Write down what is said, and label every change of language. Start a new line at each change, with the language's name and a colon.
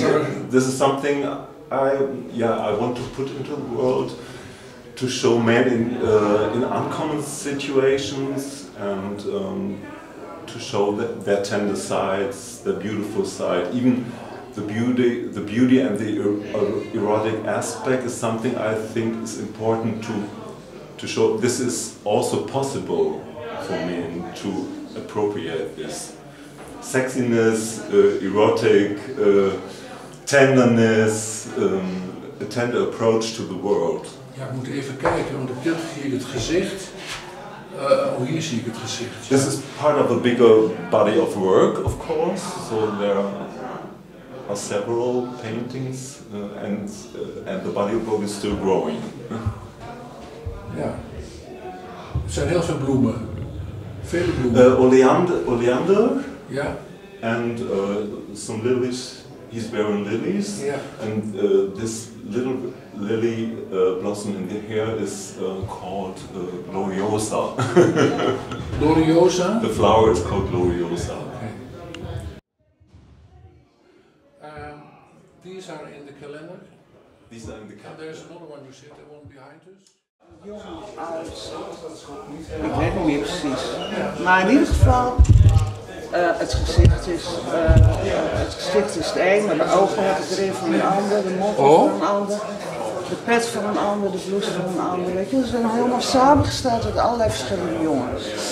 English: So this is something I want to put into the world to show men in uncommon situations and to show that their tender sides, their beautiful side, even the beauty and the erotic aspect is something I think is important to show. This is also possible for men to appropriate this sexiness, erotic tenderness, a tender approach to the world.
Dutch: Ja, ik moet even kijken, want ik heb hier het gezicht. Oh, hier zie ik het gezicht.
English: This is part of a bigger body of work, of course. So there are several paintings, and the body of work is still growing.
Dutch: Ja. Er zijn heel veel bloemen. Veel bloemen. Oleander. Ja.
English: And some lilies. He's wearing lilies.
Dutch: Ja.
English: And this little lily blossom in the hair is called Gloriosa. Gloriosa? The flower is called Gloriosa. These are in the calendar. These are in the calendar. And there's another one you said, the one behind us.
Dutch: uit, ik weet niet meer precies, maar in ieder geval, het gezicht is het een, maar de ogen hebben erin van een ander, de mond van een ander, de pet van een ander, de blouse van een ander, weet je, dus we zijn helemaal samengesteld uit allerlei verschillende jongens.